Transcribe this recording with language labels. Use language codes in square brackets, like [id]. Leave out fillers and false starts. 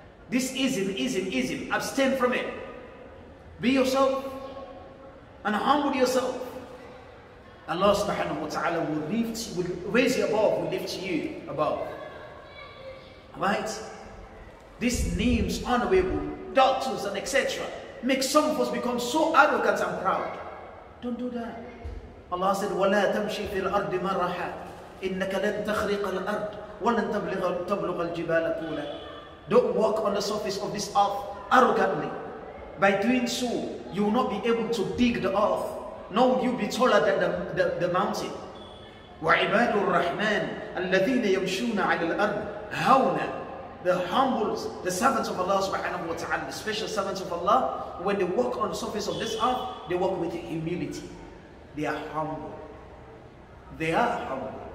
[en] This ism. Abstain from it. Be yourself and humble yourself. Allah subhanahu wa ta'ala will raise you above, will lift you above. Right? These names, honorable, doctors and etc. make some of us become so arrogant and proud. Don't do that. [ar] Allah said, وَلَا تَمْشِي فِي الْأَرْضِ مَرَّحَا إِنَّكَ لَنْ تَخْرِقَ الْأَرْضِ وَلَنْ تَبْلُغَ الْجِبَالَ طُولًا. [en] Don't walk on the surface of this earth arrogantly. By doing so, you will not be able to dig the earth, nor will you be taller than the mountain. [ar] وَعِبَادُ الرَّحْمَنِ الَّذِينَ يَمْشُونَ عَلَى الْأَرْضِ هَوْنًا. [en] The humble, the servants of Allah subhanahu wa ta'ala, the special servants of Allah, when they walk on the surface of this earth, they walk with humility. They are humble. They are humble.